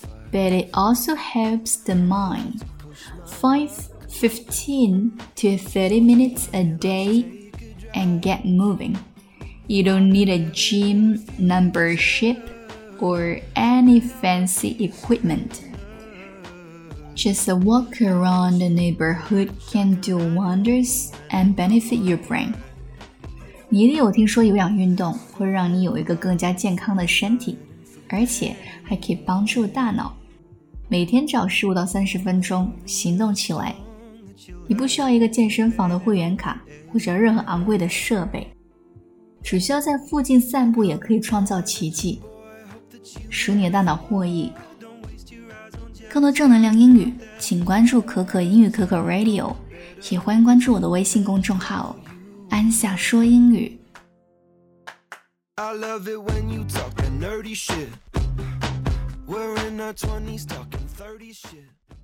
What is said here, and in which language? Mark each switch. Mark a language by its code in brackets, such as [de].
[en] But it also helps the mind. 5-15 to 30 minutes a day and get moving. You don't need a gym membership or any fancy equipment. Just a walk around the neighborhood can do wonders and benefit your brain. [zh] 你一定有听说有氧运动会让你有一个更加健康的身体，而且还可以帮助大脑。每天只要15到30分钟行动起来，你不需要一个健身房的会员卡或者任何昂贵的设备，只需要在附近散步也可以创造奇迹，使你的大脑获益。更多正能量英语请关注可可英语可可 Radio， 也欢迎关注我的微信公众号安夏说英语。 [en] I love it when you talk the nerdy shit. We're in our 20s talking 30 shit.